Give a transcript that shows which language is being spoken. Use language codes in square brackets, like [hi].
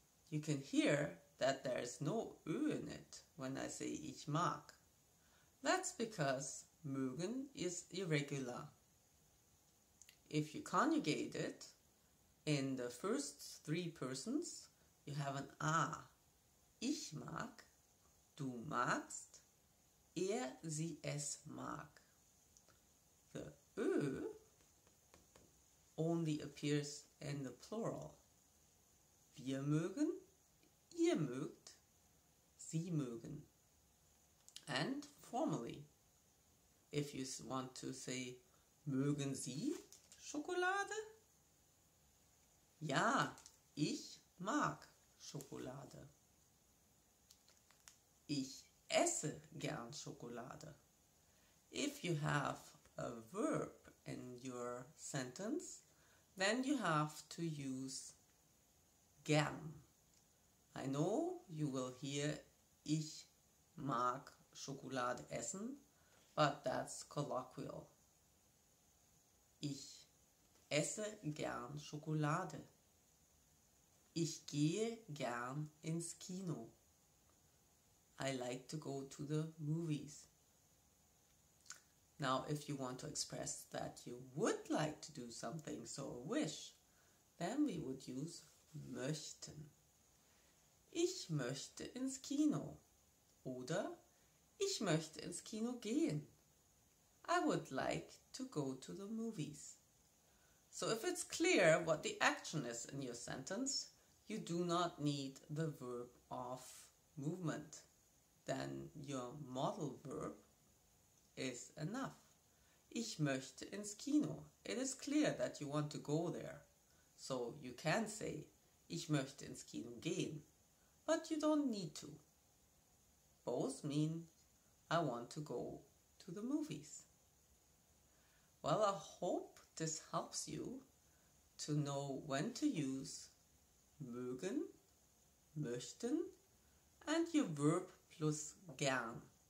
[en] You can hear that there is no Ö in it when I say [de] ich mag. [en] That's because mögen is irregular. If you conjugate it in the first three persons, you have an A. [de] Ich mag, du magst, er, sie, es mag. [en] The Ö only appears in the plural. [de] Wir mögen, ihr mögt, sie mögen. [en] And formally, if you want to say, [de] mögen Sie Schokolade? Ja, ich mag Schokolade. Ich esse gern Schokolade. [en] If you have a verb in your sentence, then you have to use gern. I know you will hear, [de] ich mag Schokolade essen, [en] but that's colloquial. [de] Ich esse gern Schokolade. Ich gehe gern ins Kino. [en] I like to go to the movies. Now, if you want to express that you would like to do something, so a wish, then we would use möchten. [de] Ich möchte ins Kino. Oder ich möchte ins Kino gehen. [en] I would like to go to the movies. So if it's clear what the action is in your sentence, you do not need the verb of movement. Then your modal verb is enough. [de] Ich möchte ins Kino. [en] It is clear that you want to go there. So you can say, [de] ich möchte ins Kino gehen. [en] But you don't need to. Both mean I want to go to the movies. Well, I hope this helps you to know when to use mögen, möchten, and your verb plus gern.